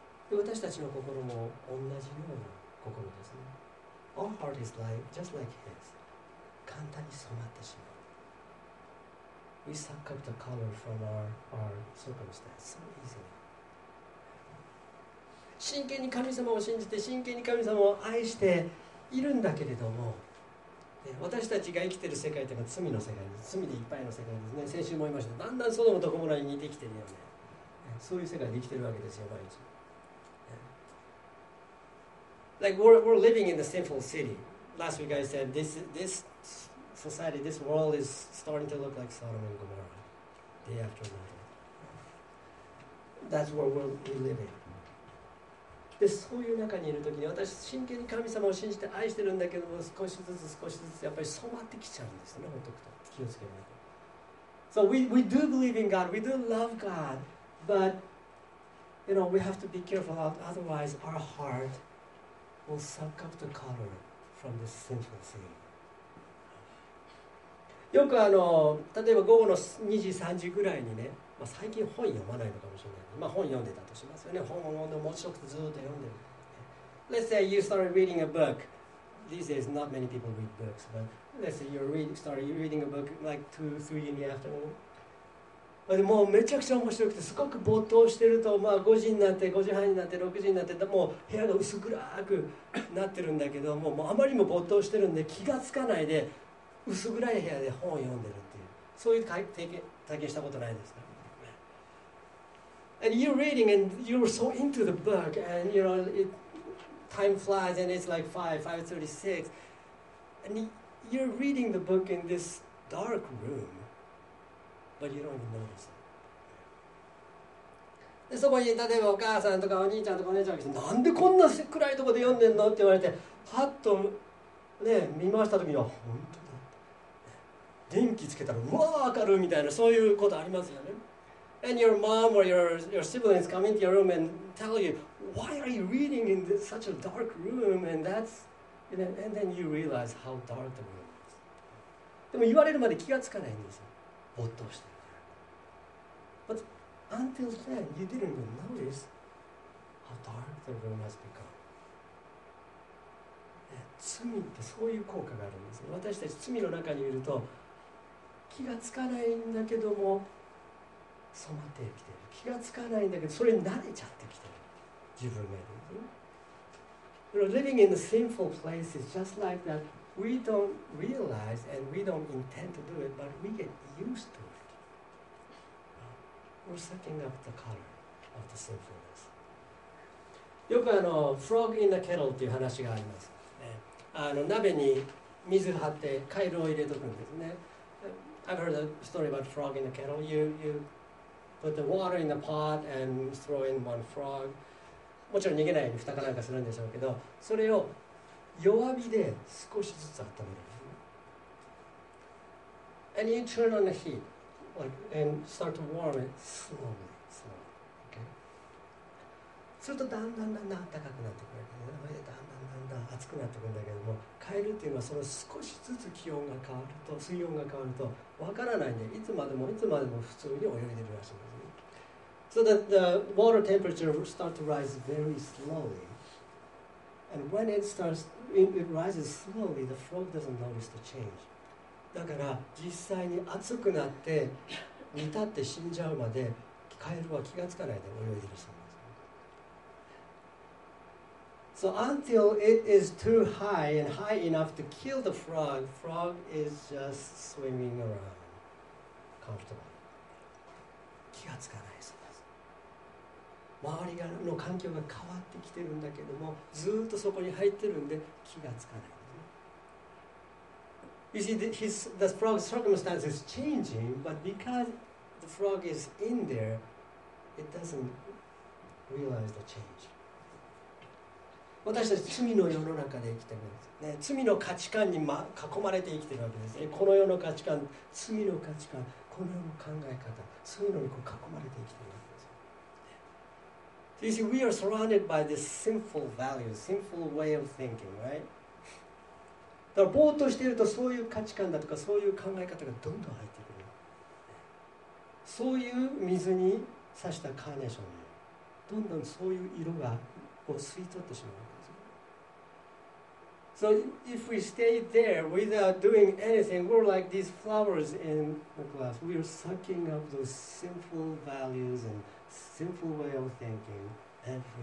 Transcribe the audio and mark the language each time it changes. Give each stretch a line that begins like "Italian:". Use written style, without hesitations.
Japanese: で、私たちの心も同じような心ですね。
English: Our heart is like, just like his.
Japanese: 簡単に染まってしまう。
English: We suck up the color from our circumstances so easily.
Japanese: 真剣に神様を信じて、真剣に神様を愛しているんだけれども、私たちが生きている世界というのは罪の世界です。罪でいっぱいの世界ですね。先週も言いました。だんだんソドムとゴモラに似てきてるよね。そういう世界で生きてるわけですよ、毎日。
English: Like we're living in the sinful city. Last week I said this society, this world is starting to look like Sodom and Gomorrah, day after night. That's where we live in.
Japanese: で、そういう中にいるときに、私真剣に神様を信じて愛してるんだけども、少しずつ少しずつやっぱり染まってきちゃうんですね、ほっとくと。気をつけないと。
English: So we do believe in God, we do love God, but you know we have to be careful, otherwise our heart will suck up the color from the sinful sin.
Japanese: よく例えば午後の2時3時ぐらいにね、まあ、最近本読まないのかもしれない。まあ本読んでたとしますよね。本を読んで面白くてずっと読んでる。
English: Let's say you started reading a book. These days not many people read books, but let's say you started reading a book like 2-3 in the afternoon.
Japanese: もうめちゃくちゃ面白くてすごく没頭してると、まあ、5時になって5時半になって6時になってもう部屋が薄暗くなってるんだけど もうあまりにも没頭してるんで気がつかないで薄暗い部屋で本を読んでるっていうそういう体験したことないですか
English: And you're reading and you're so into the book and you know it, time flies and it's like 5:36 and you're reading the book in this dark roomBut you don't even notice it.
Japanese: でそこに例えばお母さんとかお兄ちゃんとかお姉ちゃんが来てなんでこんな暗いところで読んでんのって言われてハッと、ね、見回した時には本当だ電気つけたらうわー明るいみたいなそういうことありますよね
English: And your mom or your siblings come into your room and tell you why are you reading in this, such a dark room and that's and then you realize how dark the room is
Japanese: でも言われるまで気がつかないんですよ没頭してる。
English: But until then, you didn't even notice how dark the room has become.
Japanese: 罪ってそういう効果があるんですね。私たち罪の中にいると気がつかないんだけども染まってきてる。気がつかないんだけどそれに慣れちゃってきてる。自分がいる。
English: You know, living in a sinful place is just like that. We don't realize and we don't intend to do it, but we get used to it. We're sucking up the color of the sinfulness.
Japanese: よく
English: frog in the kettle
Japanese: っていう話があります。鍋に水張ってカイロを入れとくんですね。
English: I've heard a story about frog in the kettle. You put the water in the pot and throw in one frog.
Japanese: もちろん逃げないように蓋かなんかするんでしょうけど、それを弱火で少しずつ温める。
English: And you turn on the heat, like, and start to warm it slowly, slowly. Okay.
Japanese: するとだんだんだんだん暖かくなってくるから、ね、だんだんだんだん熱くなってくるんだけども、カエルっていうのはその少しずつ気温が変わると、水温が変わると、わからないね。いつまでも普通に泳いでるらしいんですね。
English: So that the water temperature starts to rise very slowly. And when it rises slowly, the frog doesn't notice the change.
Japanese: だから実際に熱くなって煮立って死んじゃうまでカエルは気がつかないで泳いでるそうです。
English: So until it is too high and high enough to kill the frog, frog is just swimming around, comfortable.
Japanese: 気がつかない。周りの環境が変わってきてるんだけども、ずっとそこに入ってるんで気がつかない。
English: You see, the frog's circumstance is changing, but because the frog is in there, it doesn't realize the change.
Japanese: 私たち罪の世の中で生きてるんです、ね。罪の価値観に、ま、囲まれて生きてるわけです、ね。この世の価値観、罪の価値観、この世の考え方、そういうのにこう囲まれて生きてる。
English: You see, we are surrounded by this sinful values, sinful way of thinking, right?
Japanese: だからぼーっとしているとそういう価値観だとかそういう考え方がどんどん入ってくる。そういう水に刺したカーネーションにどんどんそういう色がを吸い取ってしまうんですよ。
English: So if we stay there without doing anything, we're like these flowers in the glass. We are sucking up those sinful values and sinful way of thinking every day.